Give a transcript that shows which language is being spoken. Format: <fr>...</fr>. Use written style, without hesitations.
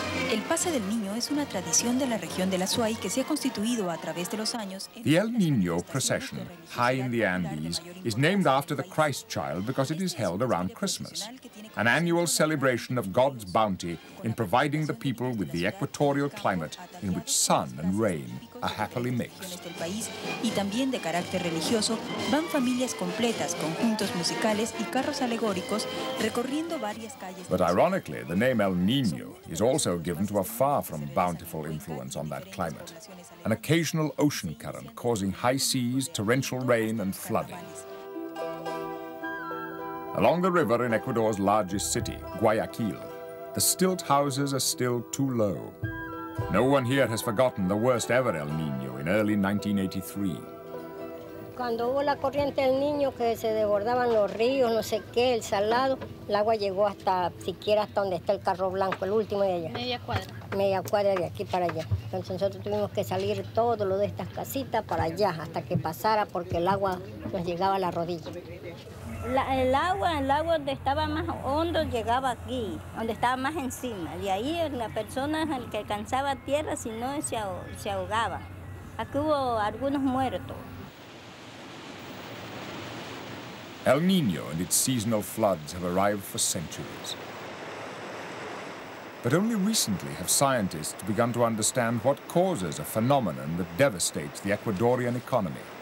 <es>El Paseo del Niño es una tradición de la región del Azuay que se ha constituido a través de los años.</es> <en>The El Niño procession, high in the Andes, is named after the Christ child because it is held around Christmas, an annual celebration of God's bounty in providing the people with the equatorial climate in which sun and rain are happily mixed.</en> <es>Y también de carácter religioso, van familias completas, conjuntos musicales y carros alegóricos recorriendo varias calles.</es> <en>But ironically, the name El Niño is also given to a far from bountiful influence on that climate, an occasional ocean current causing high seas, torrential rain and flooding. Along the river in Ecuador's largest city, Guayaquil, the stilt houses are still too low. No one here has forgotten the worst ever El Niño in early 1983.</en> <es>Cuando hubo la corriente El Niño que se desbordaban los ríos, no sé qué, el salado, el agua llegó hasta siquiera hasta donde está el carro blanco, el último de allá. Media cuadra. Media cuadra de aquí para allá. Entonces nosotros tuvimos que salir todo lo de estas casitas para allá hasta que pasara porque el agua nos llegaba a la rodilla. El agua donde estaba más hondo llegaba aquí, donde estaba más encima. De ahí la persona el que alcanzaba tierra, si no, se ahogaba. Aquí hubo algunos muertos.</es> <en>El Niño and its seasonal floods have arrived for centuries. But only recently have scientists begun to understand what causes a phenomenon that devastates the Ecuadorian economy.</en>